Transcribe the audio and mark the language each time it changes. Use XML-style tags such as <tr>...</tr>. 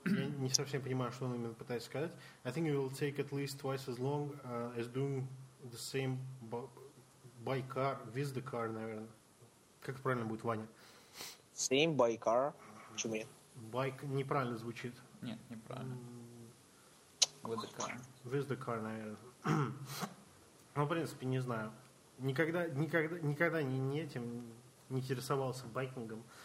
<ru>Я не совсем понимаю, что он именно пытается сказать.</ru> <en>I think it will take at least twice as long as doing the same by car, with the car,</en> <ru>наверное. Как правильно будет, Ваня?</ru> <en>Same by car?</en> <ru>Почему нет? Bike неправильно звучит. Нет, неправильно.</ru> <en>With the car. With the car,</en> <ru>наверное. Ну, в принципе, не знаю. Никогда не этим не интересовался байкингом.</ru>